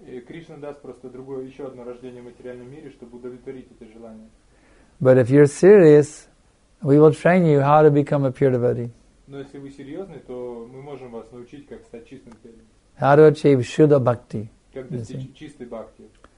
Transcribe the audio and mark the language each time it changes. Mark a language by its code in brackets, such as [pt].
[ru] Krishna даст просто другое еще одно рождение в материальном мире, чтобы удовлетворить это желание. [en] But if you're serious, we will train you how to become a pure devotee. [ru] Но если вы серьезны, то мы можем вас научить, как стать чистым телом. [en] How to achieve shuddha bhakti? [ru] Как достичь чистой бхакти?